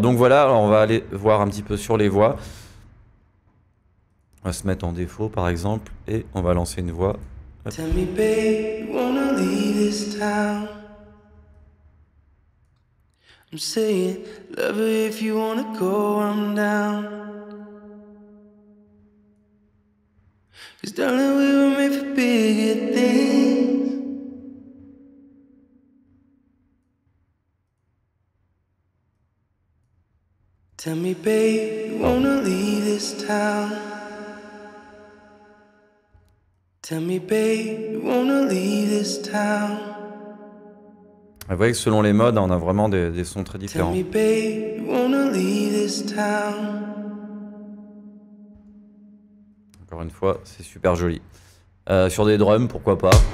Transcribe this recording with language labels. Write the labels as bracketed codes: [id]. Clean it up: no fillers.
[fr] Donc voilà, on va aller voir un petit peu sur les voix. On va se mettre en défaut par exemple et on va lancer une voix. Hop. [en] Tell me, babe, wanna leave this town? I'm saying, love it if you wanna go, I'm down. Cause darling, we were made for bigger things. Tell me, babe, wanna leave this town? Tell me, babe, wanna leave this town? [fr] Vous voyez que selon les modes, on a vraiment des sons très [en] Tell [fr] différents. [en] me, babe, wanna leave this town? [fr] Encore une fois, c'est super joli. Sur des drums, pourquoi pas?